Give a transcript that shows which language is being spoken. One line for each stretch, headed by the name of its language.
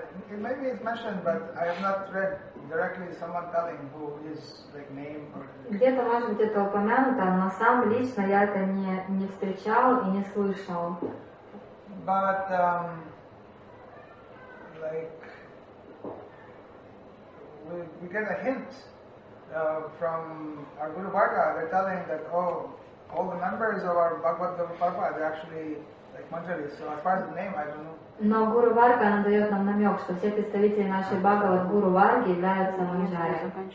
English: Maybe it's mentioned, but I have not read directly someone telling who his like name or.
Russian: Где-то может быть это упомянуто, но сам лично я это не встречал и не слышал.
English: But like we get a hint from our Guru Bhaga. They're telling that all the members of our Bhagavad Gurupada are actually like Manjari. So as far as the name, I don't know.
Russian: Но Гуру Варга, она дает нам намек, что все представители нашей Бхагавад Гуру Варги являются манджари.